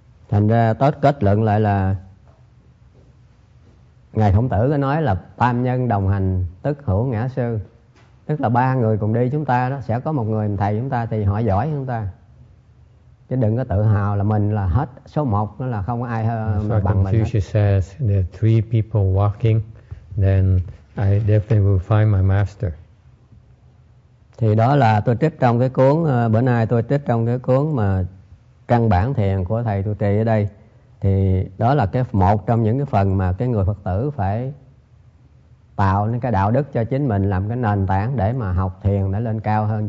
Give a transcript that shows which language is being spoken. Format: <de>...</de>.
<vi>Thành ra tốt kết luận lại là Ngài Khổng Tử có nói là tam nhân đồng hành tức hữu ngã sư. Tức là ba người cùng đi chúng ta đó, sẽ có một người thầy chúng ta thì họ giỏi chúng ta. Chứ đừng có tự hào là mình là hết số một, nó là không có ai hơn so bằng mình.</vi> <en>Confucius says there are three people walking, then I definitely will find my master.</en> <vi>Thì đó là tôi trích trong cái cuốn, bữa nay tôi trích trong cái cuốn mà căn bản thiền của thầy tôi trì ở đây. Thì đó là cái một trong những cái phần mà cái người Phật tử phải tạo nên cái đạo đức cho chính mình, làm cái nền tảng để mà học thiền để lên cao hơn.</vi>